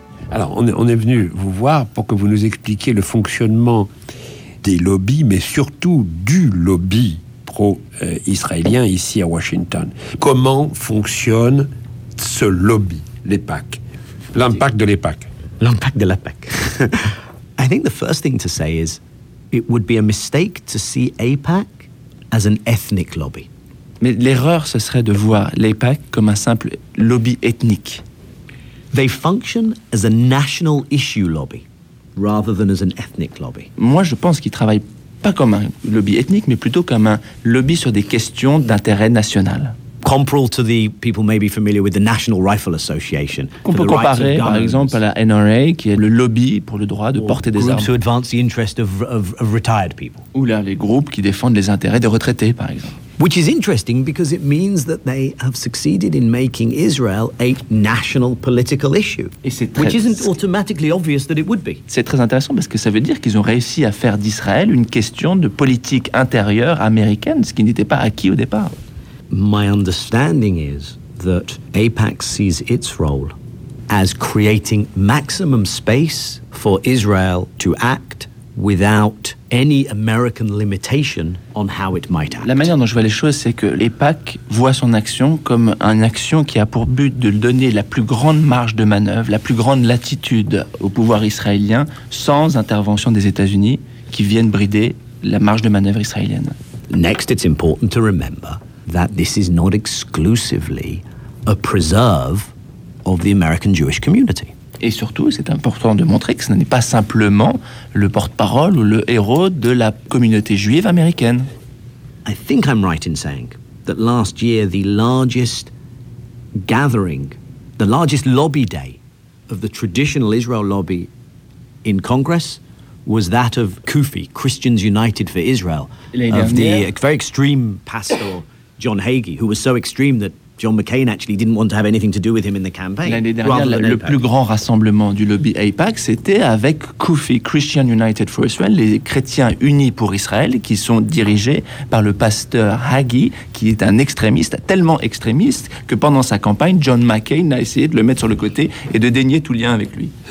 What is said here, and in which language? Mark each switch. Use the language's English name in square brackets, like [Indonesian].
[French] Alors, on est venu vous voir pour que vous nous expliquiez le fonctionnement des lobbies, mais surtout du lobby pro-israélien ici à Washington. Comment fonctionne ce lobby, l'EPAC ? L'impact de l'EPAC. L'impact de l'EPAC. [English] I think the first thing to say is it would be a mistake to see AIPAC as an ethnic lobby. [French] Mais l'erreur, ce serait de voir l'EPAC comme un simple lobby ethnique. [English] They function as a national issue lobby rather than as an ethnic lobby. [French] Moi, je pense qu'ils travaillent pas comme un lobby ethnique, mais plutôt comme un lobby sur des questions d'intérêt national. [English] Comparable to the people maybe familiar with the National Rifle Association. [French] On peut comparer, par exemple, à la NRA, qui est le lobby pour le droit de porter des armes. [English] Groups who advance the interests of retired people. [French] Ou là, les groupes qui défendent les intérêts des retraités, par exemple. [English] Which is interesting because it means that they have succeeded in making Israel a national political issue. Which isn't automatically obvious that it would be. [French] C'est très intéressant parce que ça veut dire qu'ils ont réussi à faire d'Israël une question de politique intérieure américaine, ce qui n'était pas acquis au départ. [English] My understanding is that AIPAC sees its role as creating maximum space for Israel to act without any American limitation on how it might act. [French] La manière dont je vois les choses, c'est que l'EPAC voit son action comme une action qui a pour but de donner la plus grande marge de manœuvre, la plus grande latitude au pouvoir israélien sans intervention des États-Unis qui viennent brider la marge de manœuvre israélienne. [English] Next, it's important to remember that this is not exclusively a preserve of the American Jewish community. [French] Et surtout, c'est important de montrer que ce n'est pas simplement le porte-parole ou le héros de la communauté juive américaine. [English] I think I'm right in saying that last year the largest gathering, the largest lobby day of the traditional Israel lobby in Congress was that of CUFI, Christians United for Israel, of the very extreme pastor John Hagee, who was so extreme that John McCain actually didn't want to have anything to do with him in the campaign. [French] L'année dernière, le plus grand rassemblement du lobby AIPAC, c'était avec CUFI, Christian United for Israel, les chrétiens unis pour Israël, qui sont dirigés par le pasteur Hagee, qui est un extrémiste, tellement extrémiste, que pendant sa campagne, John McCain a essayé de le mettre sur le côté et de dénier tout lien avec lui.